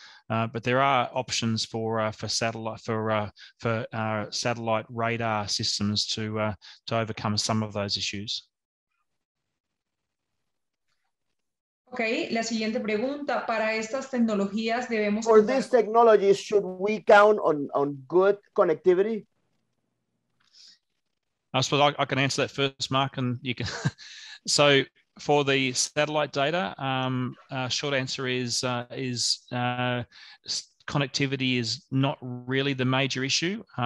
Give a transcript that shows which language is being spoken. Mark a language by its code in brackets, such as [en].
[en] But there are options for satellite radar systems to overcome some of those issues. [es] Okay, la siguiente pregunta, para estas tecnologías debemos... [en] For this technology, should we count on good connectivity? I suppose I can answer that first, Mark, and you can. So for the satellite data, short answer is connectivity is not really the major issue.